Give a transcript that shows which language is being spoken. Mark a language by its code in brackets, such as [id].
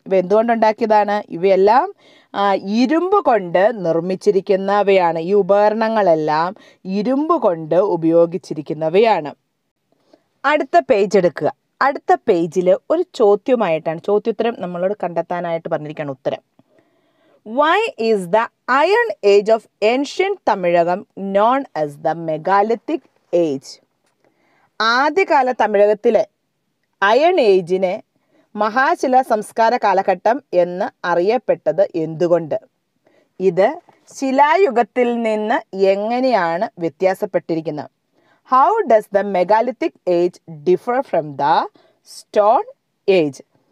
[ml] ഇവ എന്തുകൊണ്ടുണ്ടാക്കിയതാണ്? ഇവയെല്ലാം ഇരുമ്പ് കൊണ്ട് നിർമ്മിച്ചിരിക്കുന്നവയാണ്. ഈ ഉപകരണങ്ങളെല്ലാം ഇരുമ്പ് കൊണ്ട് ഉപയോഗിച്ചിരിക്കുന്നവയാണ്. അടുത്ത പേജ് എടുക്കുക. അടുത്ത പേജിൽ ഒരു ചോദ്യമായിട്ടാണ്, ചോദ്യോത്തരം നമ്മളോട് കണ്ടെത്താനായിട്ട് പറഞ്ഞിരിക്കുകയാണ് ഉത്തരം. [en] Why is the Iron Age of ancient Tamilagam known as the Megalithic Age? [ml] ആദ്യകാല തമിഴകത്തിലെ അയൺ ഏജിനെ മഹാശിലാ സംസ്കാര കാലഘട്ടം എന്ന് അറിയപ്പെട്ടത് എന്തുകൊണ്ട്? ഇത് ശിലായുഗത്തിൽ നിന്ന് എങ്ങനെയാണ് വ്യത്യാസപ്പെട്ടിരിക്കുന്നത്? [en] How does the megalithic age differ from the stone age?